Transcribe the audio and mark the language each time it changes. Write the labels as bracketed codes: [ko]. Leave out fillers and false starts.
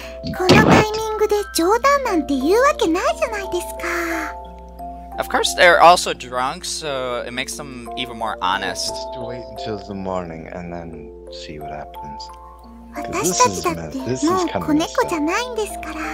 [ja] このタイミングで冗談なんて言うわけないじゃないですか。 [en] Of course, they're also drunk, so it makes them even more honest. Just wait until the morning and then see what happens. [ja] 私たちだってもう子猫じゃないんですから。